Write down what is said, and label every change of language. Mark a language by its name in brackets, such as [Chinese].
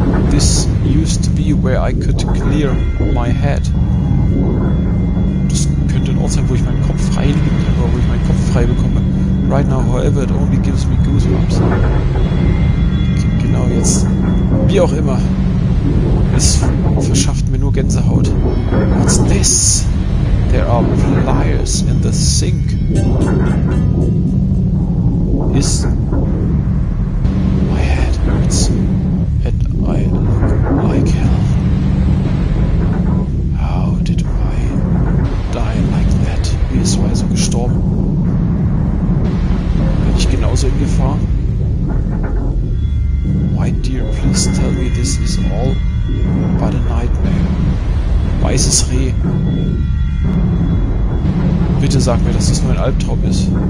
[English] This used to be where I could clear my head. [German] Das könnte ein Ort sein, wo ich meinen Kopf reinigen kann, oder wo ich meinen Kopf frei bekomme. [English] Right now, however, it only gives me goosebumps. [German] Genau jetzt. Wie auch immer. Es verschafft mir nur Gänsehaut. [English] What's this? There are pliers in the sink. Is my head hurts and I look like hell. How did I die like that? [German] Wie ist man so gestorben? Bin ich genauso in Gefahr? [English] My dear, please tell me this is all but a nightmare. [German] Weißes Reh. Bitte sag mir, dass das nur ein Albtraum ist.